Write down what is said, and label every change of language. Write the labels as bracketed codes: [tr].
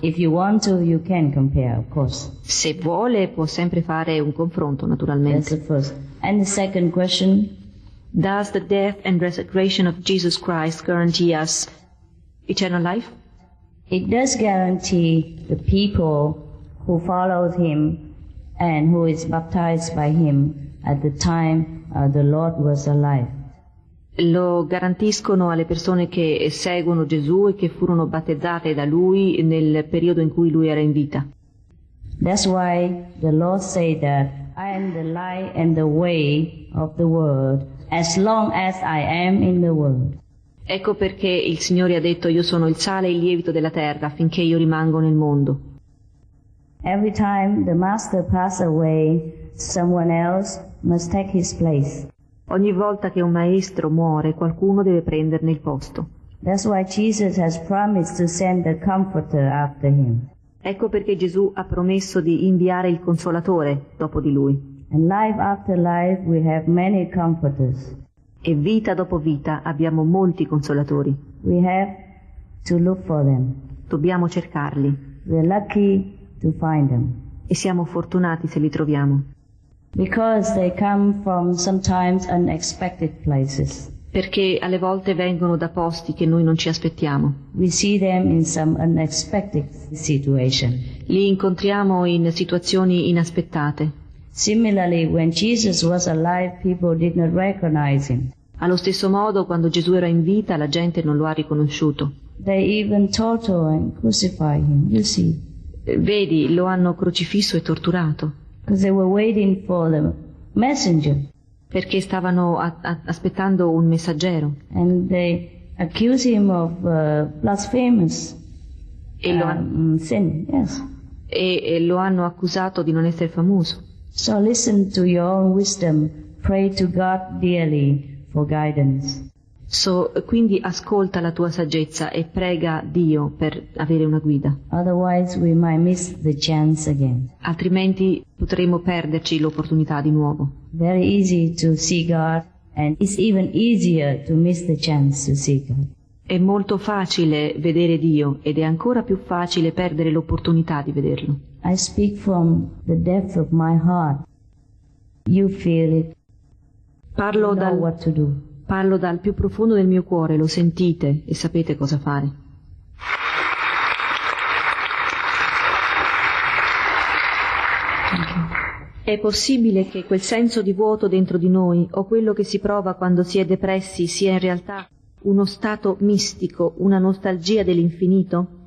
[en] If you want to, you can compare, of course. [it] Se vuole, può sempre fare un confronto, naturalmente. [en] That's the first. And the second question? Does the death and resurrection of Jesus Christ guarantee us eternal life? It does guarantee the people who follow him and who is baptized by him at the time the Lord was alive. [it] Lo garantiscono alle persone che seguono Gesù e che furono battezzate da lui nel periodo in cui lui era in vita. [en] That's why the Lord said that I am the light and the way of the world as long as I am in the world. [it] Ecco perché il Signore ha detto io sono il sale e il lievito della terra finché io rimango nel mondo. [en] Every time the master passes away, someone else must take his place. [it] Ogni volta che un maestro muore, qualcuno deve prenderne il posto. [en] That's why Jesus has promised to send the comforter after him. [it] Ecco perché Gesù ha promesso di inviare il consolatore dopo di lui. [en] And life after life we have many comforters. [it] E vita dopo vita abbiamo molti consolatori. [en] We have to look for them. [it] Dobbiamo cercarli. [en] We're lucky to find them. [it] E siamo fortunati se li troviamo. [en] Because they come from sometimes unexpected places. [it] Perché alle volte vengono da posti che noi non ci aspettiamo. [en] We see them in some unexpected situation. [it] Li incontriamo in situazioni inaspettate. [en] Similarly, when Jesus was alive, people did not recognize him. [it] Allo stesso modo, quando Gesù era in vita, la gente non lo ha riconosciuto. [en] They even tortured and crucified him, you see. [it] Vedi, lo hanno crocifisso e torturato. [en] Because they were waiting for the messenger. [it] Perché stavano aspettando un messaggero. [en] And they accused him of blasphemous sin. Yes. [it] E lo hanno accusato di non essere famoso. [en] So listen to your own wisdom. Pray to God dearly for guidance. [it] So, quindi ascolta la tua saggezza e prega Dio per avere una guida. [en] Otherwise we might miss the chance again. [it] Altrimenti potremmo perderci l'opportunità di nuovo. [en] Very easy to see God, and it's even easier to miss the chance to see God. [it] È molto facile vedere Dio ed è ancora più facile perdere l'opportunità di vederlo. [en] I speak from the depth of my heart. You feel it. [it] Parlo [en] you know [it] dal [en] what to do. [it] Parlo dal più profondo del mio cuore, lo sentite e sapete cosa fare. È possibile che quel senso di vuoto dentro di noi, o quello che si prova quando si è depressi, sia in realtà uno stato mistico, una nostalgia dell'infinito?